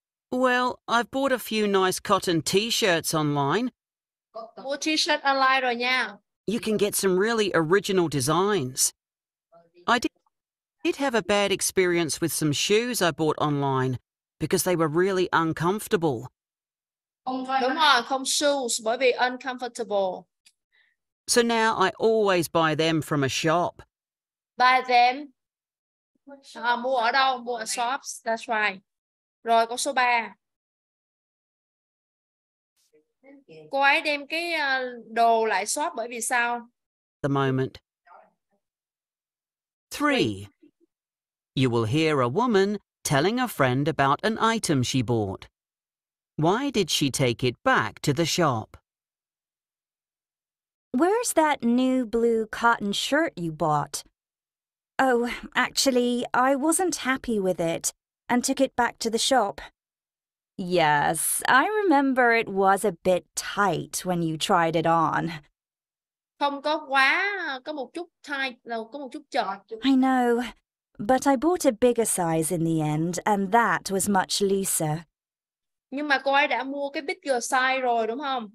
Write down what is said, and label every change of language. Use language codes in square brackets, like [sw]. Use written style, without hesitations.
[en] Well, I've bought a few nice cotton t-shirts online. [vi] Mua t-shirt online rồi nha. [en] You can get some really original designs. I did have a bad experience with some shoes I bought online because they were really uncomfortable. [vi] Đúng rồi, không shoes bởi vì uncomfortable. [en] So now I always buy them from a shop. Buy them? [vi] Mua ở đâu? Mua ở shops, [en] that's right. [vi] Rồi, câu số 3. Cô ấy đem cái đồ lại shop bởi vì sao? [en] The moment. 3. You will hear a woman telling a friend about an item she bought. Why did she take it back to the shop? Where's that new blue cotton shirt you bought? Oh, actually, I wasn't happy with it and took it back to the shop. Yes, I remember it was a bit tight when you tried it on. [vi] Không có quá, có một chút tight, có một chút chật. [en] I know, but I bought a bigger size in the end and that was much looser. [vi] Nhưng mà cô ấy đã mua cái [en] bigger size [vi] rồi, đúng không?